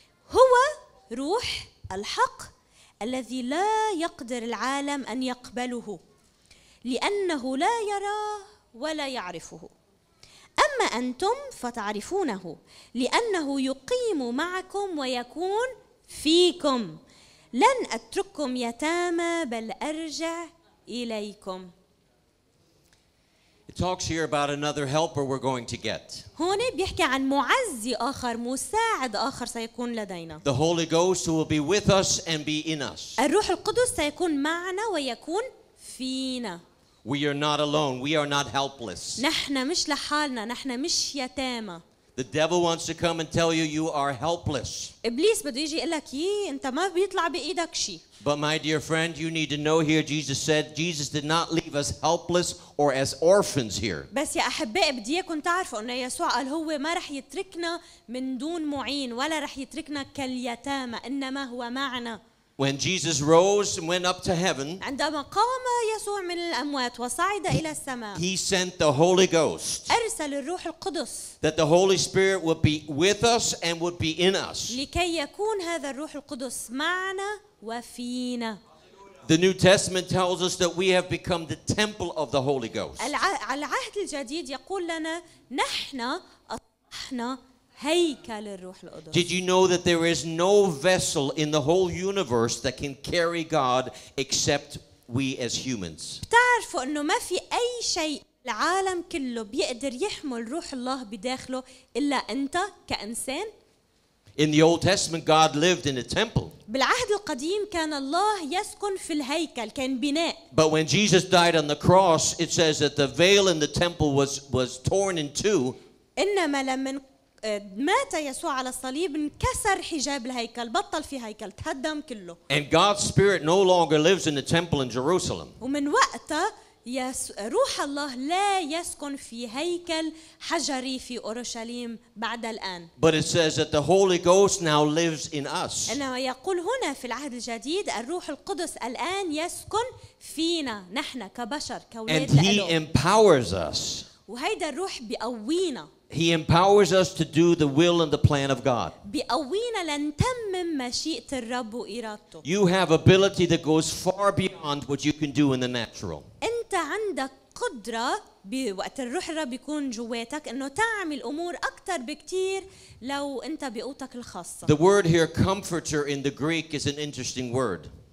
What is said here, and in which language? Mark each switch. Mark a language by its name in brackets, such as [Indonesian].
[Arabic] هو روح الحق الذي لا يقدر العالم أن يقبله لأنه لا يراه ولا يعرفه. أما أنتم فتعرفونه لأنه يقيم معكم ويكون فيكم. لن أترككم يتامى بل أرجع إليكم. [English] It talks here about another helper we're going to get. [Arabic] هون بيحكي عن معزي آخر, مساعد آخر سيكون لدينا. [English] The Holy Ghost will be with us and be in us. [Arabic] الروح القدس سيكون معنا ويكون فينا. [English] We are not alone. We are not helpless. [Arabic] نحن مش لحالنا, نحن مش يتامى. [English] The devil wants to come and tell you are helpless. [Arabic] إبليس بده يجي يقول لك أنت ما بيطلع بإيدك شيء. [English] But my dear friend, you need to know here, Jesus did not leave us helpless or as orphans here. [Arabic] بس يا أحبائي بدي إياكم تعرفوا أن يسوع قال هو ما رح يتركنا من دون معين ولا رح يتركنا كاليتامى, إنما هو معنا. [English] When Jesus rose and went up to heaven, [Arabic] عندما قام يسوع من الأموات وصعد إلى السماء, [English] he sent the Holy Ghost. [Arabic] أرسل الروح القدس. [English] That the Holy Spirit would be with us and would be in us. [Arabic] لكي يكون هذا الروح القدس معنا وفينا. [English] The New Testament tells us that we have become the temple of the Holy Ghost. [Arabic] العهد الجديد يقول لنا نحن أصبحنا هيكل الروح القدس. [English] Did you know that there is no vessel in the whole universe that can carry God except we as humans. [Arabic] بتعرفوا إنه ما في أي شيء العالم كله بيقدر يحمل روح الله بداخله إلا أنت كإنسان. [English] In the Old Testament, God lived in a temple. [Arabic] بالعهد القديم كان الله يسكن في الهيكل كان بناء. [English] But when Jesus died on the cross, it says that the veil in the temple was torn in two. [Arabic] إنما لما مات يسوع على الصليب انكسر حجاب الهيكل بطل في هيكل تهدم كله. [English] And God's Spirit no longer lives in the temple in Jerusalem. [Arabic] ومن وقتها روح الله لا يسكن في هيكل حجري في أورشليم بعد الآن. [English] But it says that the Holy Ghost now lives in us. [Arabic] إنه يقول هنا في العهد الجديد الروح القدس الآن يسكن فينا نحن كبشر كأولاد. [English] And he empowers us. [Arabic] وهيدا الروح بيقوينا. [English] He empowers us to do the will and the plan of God. [Arabic] بيقوينا لنتمم مشيئة الرب وإرادته. [English] You have ability that goes far beyond what you can do in the natural. [Arabic] أنت عندك قدرة بوقت الروح الرب يكون جواتك إنه تعمل أمور أكتر بكتير لو أنت بقوتك الخاصة. [English] The word here, comforter, in the Greek is an interesting word.